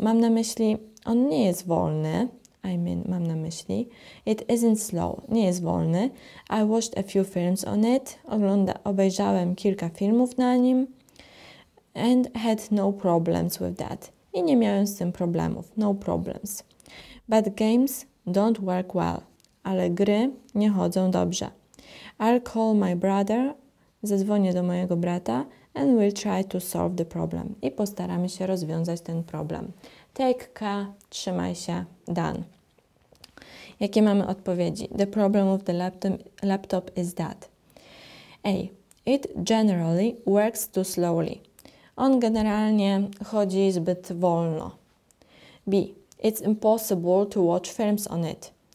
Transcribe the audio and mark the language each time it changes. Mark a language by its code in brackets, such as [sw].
[pl] Mam na myśli, on nie jest wolny. [en] I mean, [pl] mam na myśli. [en] It isn't slow. [pl] Nie jest wolny. [en] I watched a few films on it. [pl] Obejrzałem kilka filmów na nim. [en] And had no problems with that. [pl] I nie miałem z tym problemów. [en] No problems. But games don't work well. [pl] Ale gry nie chodzą dobrze. [en] I'll call my brother. [pl] Zadzwonię do mojego brata [en] and we'll try to solve the problem. [pl] I postaramy się rozwiązać ten problem. [en] Take care, [pl] trzymaj się, Dan. Jakie mamy odpowiedzi? [en] The problem of the laptop is that. A. It generally works too slowly. [pl] On generalnie chodzi zbyt wolno. B. [en] It's impossible to watch films on it.